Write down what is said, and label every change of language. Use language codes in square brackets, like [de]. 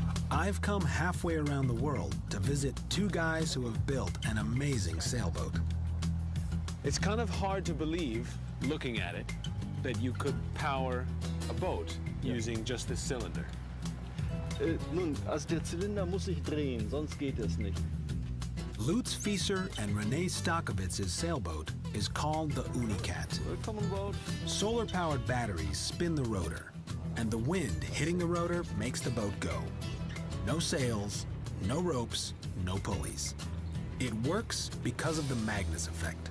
[en] I've come halfway around the world to visit two guys who have built an amazing sailboat. It's kind of hard to believe, looking at it, that you could power a boat using just this cylinder. [de] Nun, also der Zylinder muss sich drehen, sonst geht es nicht. [en] Lutz Fieser and René Stakowitz's sailboat is called the Unicat. [de] Willkommen, boat. [en] Solar-powered batteries spin the rotor, and the wind hitting the rotor makes the boat go. No sails, no ropes, no pulleys. It works because of the Magnus effect.